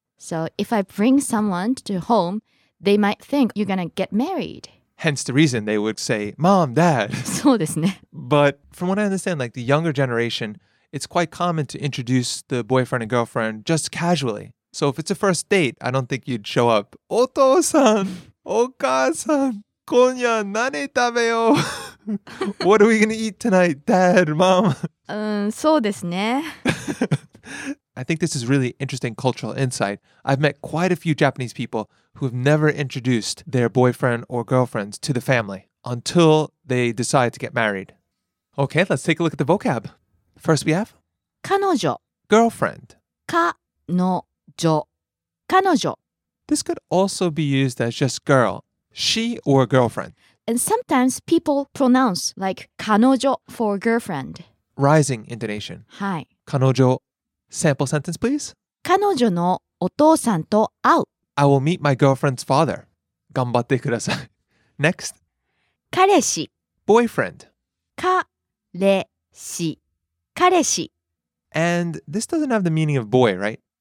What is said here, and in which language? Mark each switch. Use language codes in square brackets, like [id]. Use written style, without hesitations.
[en] So if I bring someone to home, they might think you're going to get married. Hence the reason they would say, Mom, Dad. [ja] そうですね。 [en] But from what I understand, like the younger generation, it's quite common to introduce the boyfriend and girlfriend just casually. So if it's a first date, I don't think you'd show up. [ja] お父さん、お母さん、今夜何食べよう? [en] What are we going to eat tonight, Dad, Mom? [ja] そうですね。 [en] I think this is really interesting cultural insight. I've met quite a few Japanese people who have never introduced their boyfriend or girlfriends to the family until they decide to get married. Okay, let's take a look at the vocab. First we have... [ja] 彼女 [en] Girlfriend [ja] 彼女彼女 [en] This could also be used as just girl, she or girlfriend. And sometimes people pronounce like 彼女 for girlfriend. Rising intonation. [ja] はい [en] 彼女Sample sentence, please. [ja] 彼女のお父さんと会う。 [en] I will meet my girlfriend's father. [ja] 頑張ってください。 [en] Next. [ja] 彼氏。 [en] Boyfriend. [ja] 彼氏。彼氏。 [en] And this doesn't have the meaning of boy, right?